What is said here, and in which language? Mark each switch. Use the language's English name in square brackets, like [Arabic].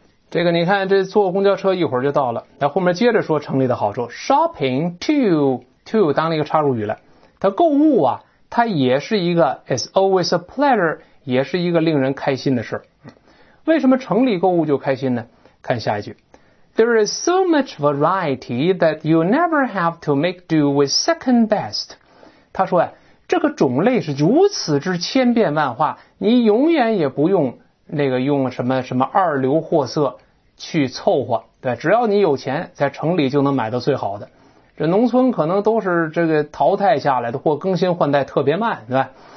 [Chinese] 这个你看这坐公交车一会儿就到了那后面接着说城里的好处 [English] shopping to [Chinese] 当了一个插入语了它购物啊它也是一个 [English] is always a pleasure [Chinese] 也是一个令人开心的事。为什么城里购物就开心呢？看下一句。 [English] There is so much variety that you never have to make do with second best. [Chinese] 他说，这个种类是如此之千变万化，你永远也不用那个用什么什么二流货色去凑合，对，只要你有钱，在城里就能买到最好的。这农村可能都是这个淘汰下来的，或更新换代特别慢，对吧？